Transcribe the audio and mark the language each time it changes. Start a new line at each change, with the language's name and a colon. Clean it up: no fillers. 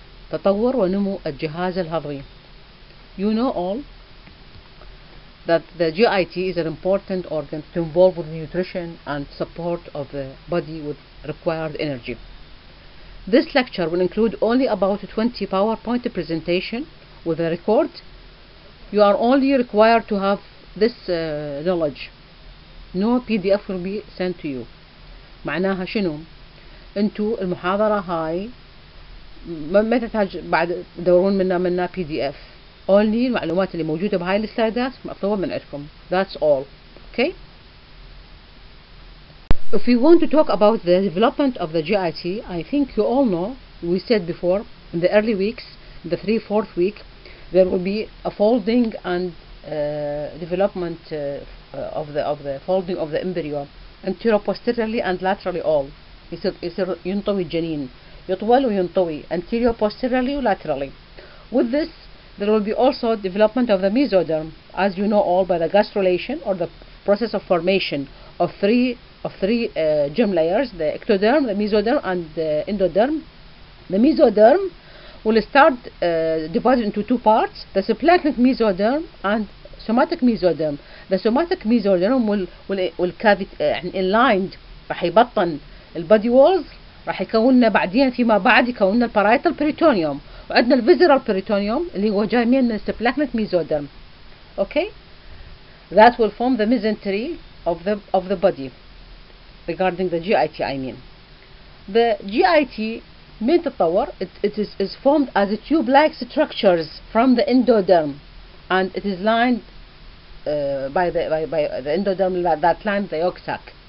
Arabic: تطور ونمو الجهاز الهضمي.
English: You know all that the GIT is an important organ to involve with nutrition and support of the body with required energy. This lecture will include only about 20 PowerPoint presentation with a record. You are only required to have this knowledge. No PDF will be sent to you.
Arabic: معناها شنو؟ انتو المحاضرة هاي ما تحتاج بعد تدورون منا PDF. Only المعلومات اللي موجودة بهاي السلايدات مطلوبة من عندكم.
English: That's all. Okay? If we want to talk about the development of the GIT, I think you all know, we said before, in the early weeks, the 3-4th week, there will be a folding and development of the folding of the embryo anteroposteriorly and laterally all.
Arabic: يصير ينطوي الجنين يطول وينطوي
English: anteroposteriorly and laterally. With this there will be also development of the mesoderm, as you know all, by the gastrulation or the process of formation of three germ layers, the ectoderm, the mesoderm and the endoderm. The mesoderm will start divided into two parts, the splanchnic mesoderm and somatic mesoderm. The somatic mesoderm will cavity inlined,
Arabic: راح يبطن البادي وولز, راح يكوننا بعدين فيما بعد يكوننا البارايتال بريتونيوم, وعندنا الفيزيرال بريتونيوم اللي هو جاي من السبلاكنت ميزودرم.
English: Okay, that will form the mesentery of the body regarding the GIT. I mean the GIT
Arabic: من تطور
English: it is formed as a tube like structures from the endoderm, and it is lined by the endoderm that lines the yolk sac.